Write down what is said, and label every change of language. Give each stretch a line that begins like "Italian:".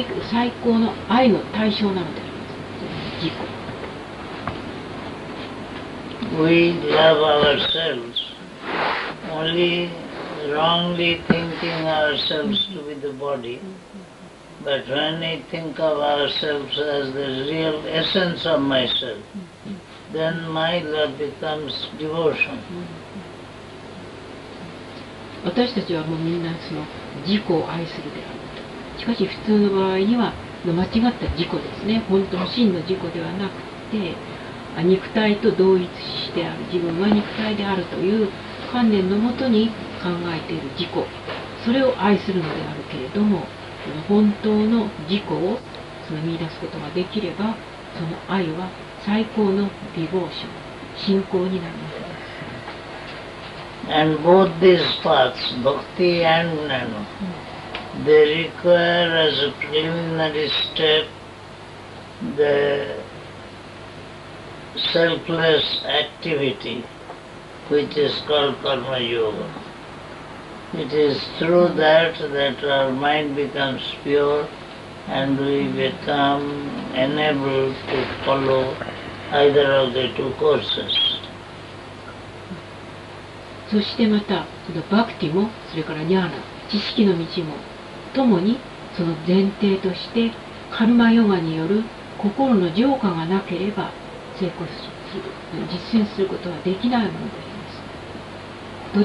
Japanese: 最高の愛の対象なのであります。
English: We love ourselves only wrongly thinking ourselves to be the body, but when we think of ourselves as the real essence of myself, then my love becomes devotion.
Japanese: 私たちはもうみんなその自己を愛するである。しかし普通の場合には間違った自己ですね、本当の真の自己ではなくて、肉体と同一してある、自分は肉体であるという観念のもとに考えている自己、それを愛するのであるけれども、その本当の自己をその見出すことができれば、その愛は最高のディボーション、信仰になるわけです。
English: And both these parts, bhakti and nano, they require as a preliminary step the selfless activity which is called karma yoga. It is through that that our mind becomes pure and we become enabled to follow either of the two courses.
Japanese: そしてまた、その bhakti も、それから jnana、知識の道も、ともにその前提としてカルマヨガによる心の浄化がなければ成功する、実践することはできないものであります。